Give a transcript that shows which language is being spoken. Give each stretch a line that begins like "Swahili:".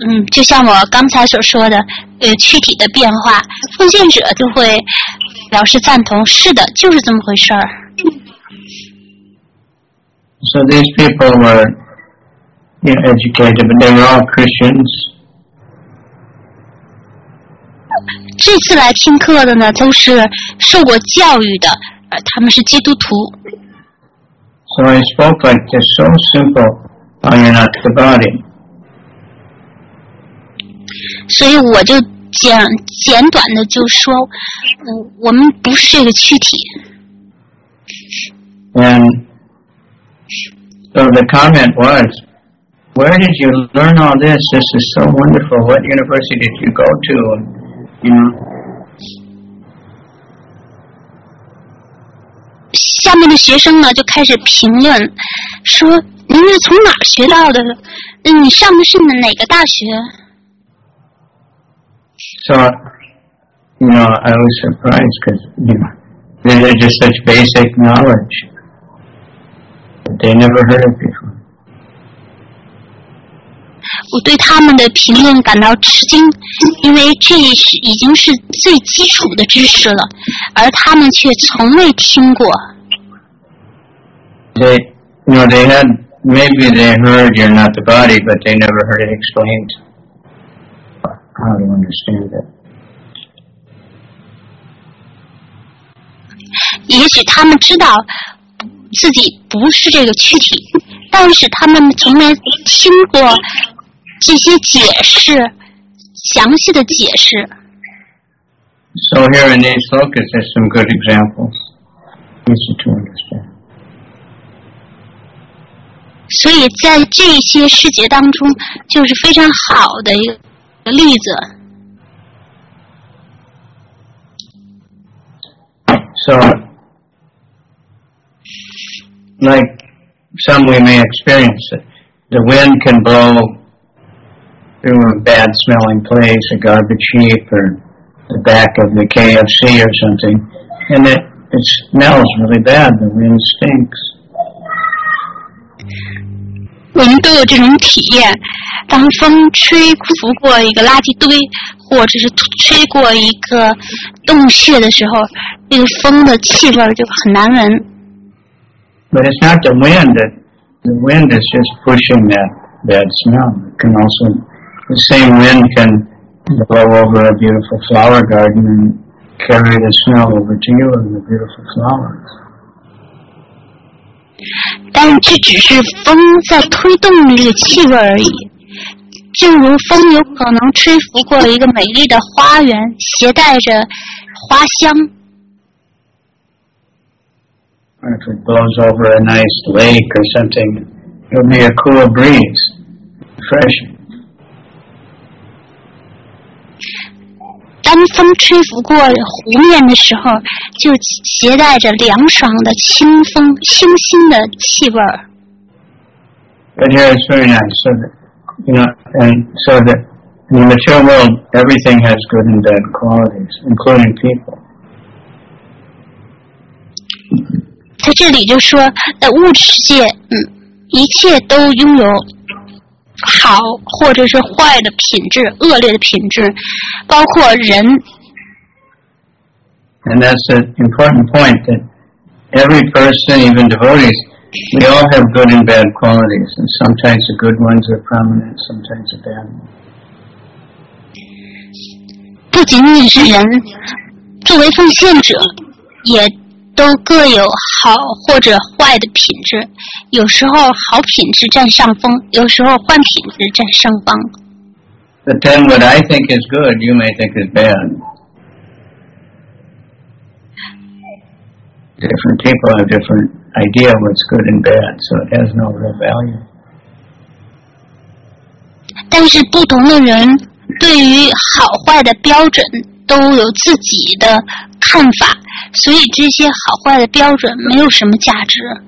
Chinese: 就像我刚才所说的躯体的变化，奉献者就会表示赞同，是的，就是这么回事。
English: So these people were, you know, educated, but they were all Christians.
Chinese: 这次来听课的呢都是受过教育的、他们是基督徒。
English: So I spoke like this, so simple, and you're not the body.
Chinese: 所以我就 简短的就说、我们不是这个躯体。
English: And so the comment was, where did you learn all this? This is so wonderful. What university did you go to?
Chinese: 下面的学生呢就开始评论说您是从哪儿学到的，你上的是哪个大学。
English: So you know I was surprised because you know they're just such basic knowledge that they never heard of before.
Chinese: 我对他们的评论感到吃惊，因为这已经是最基础的知识了，而他们却从未听过。
English: They, you know, they had, maybe they heard you're not the body, but they never heard it explained. How do you understand that?
Chinese: 也许他们知道自己不是这个躯体，但是他们从没听过这些解释，详细的解释。
English: So here in these focus, there's some good examples. Easy to understand.
Chinese: 所以在这些师节当中就是非常好的一个例子。
English: So like some we may experience it, the wind can blow through a bad smelling place, a garbage heap or the back of the KFC or something, and it smells really bad, the wind stinks.
Chinese: 我们都有这种体验，当风吹拂过一个垃圾堆或者是吹过一个洞穴的时候，那个风的气味就很难闻。
English: But it's not the wind, the wind is just pushing that bad smell. It can also, the same wind can blow over a beautiful flower garden and carry the smell over to you and the beautiful flowers.
Chinese: 但这只是风在推动那个气味而已，正如风有可能吹拂过一个美丽的花园，携带着花香。
English: If it blows over a nice lake or something, it'll be a cool breeze, fresh.
Chinese: 当风吹拂过湖面的时候，就携带着凉爽的清风，清新的气味儿。
English: But here it's very nice, so that, you know, and so that in the material world, everything has good and bad qualities, including people.
Chinese: 在这里就说，在物质世界，一切都拥有好或者是坏的品质，恶劣的品质，包括人。
English: And that's an important point, that every person, even devotees, we all have good and bad qualities, and sometimes the good ones are prominent, sometimes the bad ones.
Chinese: 不仅仅是人，作为奉献者也都各有好或者坏的品质，有时候好品质占上风，有时候坏品质占上风。
English: But then what I think is good, you may think is bad. Different people have different idea what's good and bad, so it has no real value.
Chinese: 但是不同的人对于好坏的标准都有自己的看法，所以这些好坏的标准没有什么价值。